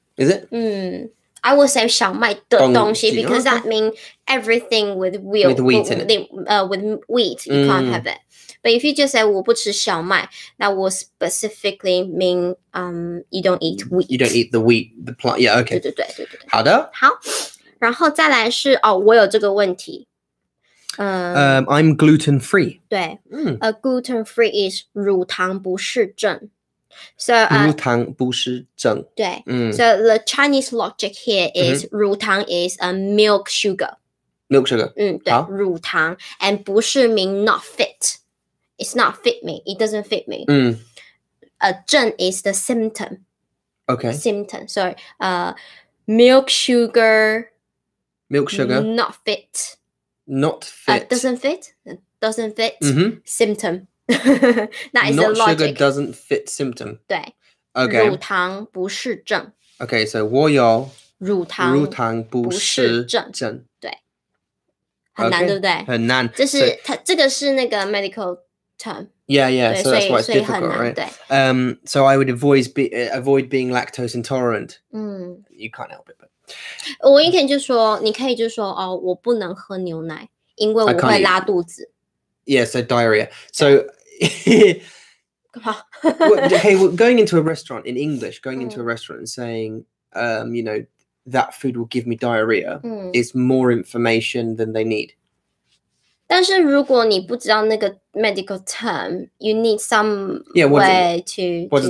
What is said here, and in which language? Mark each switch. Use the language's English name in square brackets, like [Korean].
[English] Is it? I will say 小麦的东西 because that means everything with wheat in it. With wheat, you can't have it. But if you just say 我不吃小麦, that will specifically mean you don't eat wheat. You don't eat the wheat, the plant. Yeah, okay. [Chinese] 对对对对对。好的。好。然后再来是, 哦,我有这个问题。 [English] I'm gluten free. 对, gluten free is 乳糖不适症。 So, [Chinese] 乳糖不适症, [English] 对, so the Chinese logic here is 乳糖 is a milk sugar. Milk sugar. 对, 乳糖, and 不是 mean not fit. It's not fit me. It doesn't fit me. 症 is the symptom. Okay. Symptom. So, milk sugar. Not fit. Not fit. Doesn't fit. Symptom. That is not the logic. Sugar doesn't fit symptom. [Chinese] 对, [English] okay. [Chinese] 乳糖不适症. [English] Okay, so 我有 [Chinese] 乳糖不适症.对, 很难对不对? 很难. 这是, so, 它, 这个是那个 medical term. [English] Yeah, yeah, [Chinese] 对, [English] so that's why it's difficult, [Chinese] 所以很难, [English] right? So I would avoid being lactose intolerant. You can't help it, but. [Chinese] 我也可以就说, 你可以就说, 哦, 我不能喝牛奶, 因为我会拉肚子。 [English] Yeah, so diarrhea. So, yeah. Hey, well, going into a restaurant in English, going into a restaurant and saying, you know, that food will give me diarrhea is more information than they need. 但是如果你不知道那个 medical term, you need some way to...